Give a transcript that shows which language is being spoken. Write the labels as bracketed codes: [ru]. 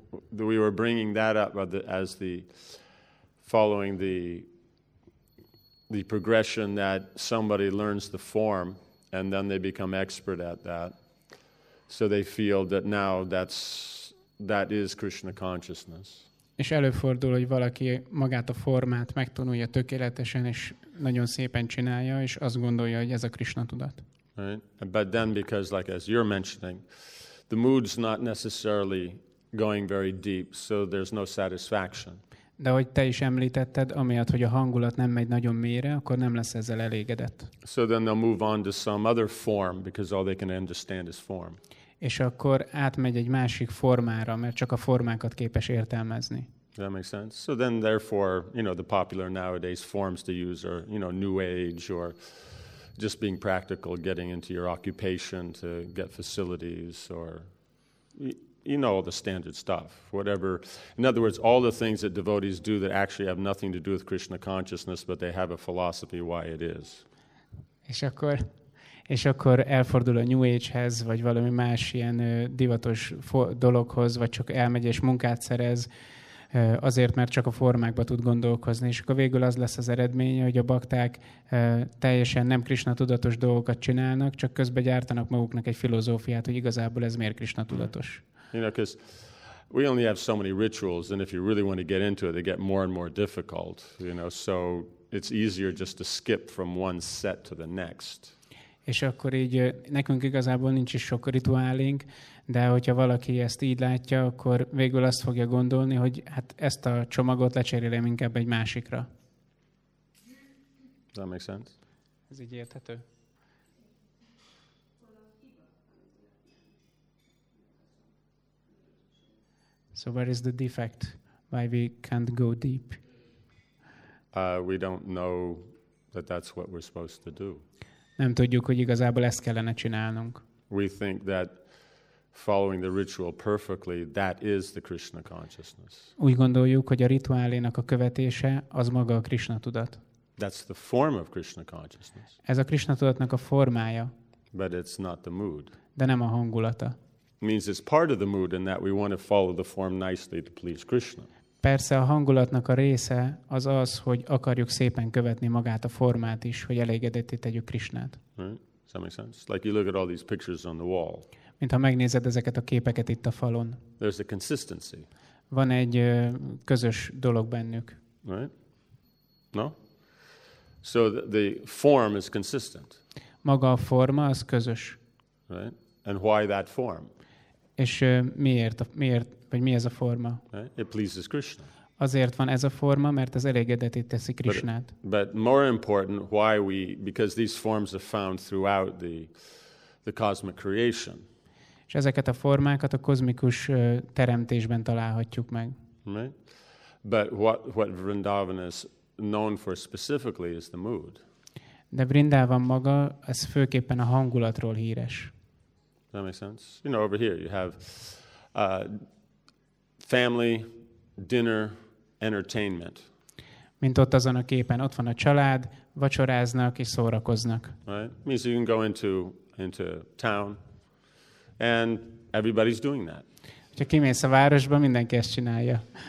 [en] We were bringing that up as the following the progression that somebody learns the form and then they become expert at that. So they feel that now that is Krishna consciousness. [hu] És előfordul, hogy valaki magát a formát megtanulja tökéletesen és nagyon szépen csinálja, és azt gondolja, hogy ez a Krishna tudat. [en] Right? But then, because, like as you're mentioning, the mood's not necessarily going very deep, so there's no satisfaction. [hu] De ahogy te is említetted, amiatt, hogy a hangulat nem megy nagyon mélyre, akkor nem lesz ezzel elégedett. [en] So then they'll move on to some other form, because all they can understand is form. [hu] És akkor átmegy egy másik formára, mert csak a formákat képes értelmezni. [en] That makes sense. So then, therefore, you know, the popular nowadays forms to use are, you know, New Age or just being practical, getting into your occupation to get facilities, or you know, all the standard stuff, whatever. In other words, all the things that devotees do that actually have nothing to do with Krishna consciousness, but they have a philosophy why it is. [hu] És akkor elfordul a New Age-hez, vagy valami más ilyen divatos dologhoz, vagy csak elmegy és munkát szerez, azért, mert csak a formákba tud gondolkozni. És akkor végül az lesz az eredménye, hogy a bakták teljesen nem Krishna tudatos dolgokat csinálnak, csak közben gyártanak maguknak egy filozófiát, hogy igazából ez miért Krishna tudatos. [en] You know, because we only have so many rituals, and if you really want to get into it, they get more and more difficult, you know, so it's easier just to skip from one set to the next. [hu] És akkor így nekünk igazából nincs is sok rituálink, de hogyha valaki ezt így látja, akkor végül azt fogja gondolni, hogy hát ezt a csomagot lecserélem inkább egy másikra. [en] Does that make sense? [hu] Ez így érthető. [en] So where is the defect? Why we can't go deep? We don't know that that's what we're supposed to do. [hu] Nem tudjuk, hogy igazából ezt kellene csinálnunk. [en] We think that following the ritual perfectly, that is the Krishna consciousness. [hu] Úgy gondoljuk, hogy a rituálénak a követése az maga a Krishna tudat. [en] That's the form of Krishna consciousness. [hu] Ez a Krishna tudatnak a formája. [en] But it's not the mood. [hu] De nem a hangulata. [en] Means it's part of the mood in that we want to follow the form nicely to please Krishna. [hu] Persze a hangulatnak a része az az, hogy akarjuk szépen követni magát a formát is, hogy elégedetté tegyük Krishnát. [en] Right? Does that make sense? Like you look at all these pictures on the wall. [hu] Mint ha megnézed ezeket a képeket itt a falon. [en] There's a consistency. [hu] Van egy közös dolog bennük. [en] Right? No? So the form is consistent. [hu] Maga a forma az közös. [en] Right? And why that form? [hu] És miért, vagy mi ez a forma? [en] It pleases Krishna. [hu] Azért van ez a forma, mert ez elégedetté teszi Krishnát. [en] But more important, because these forms are found throughout the cosmic creation. [hu] És ezeket a formákat a kozmikus teremtésben találhatjuk meg. [en] Right? But what Vrindavan is known for specifically is the mood. [hu] De Vrindavan maga, ez főképpen a hangulatról híres. [en] That makes sense. You know, over here you have family, dinner, entertainment. [hu] Mint ott azon a képen, ott van a család, vacsoráznak és szórakoznak. [en] Right? Means you can go into town, and everybody's doing that. [hu] Hogyha kimész a városba, mindenki ezt csinálja.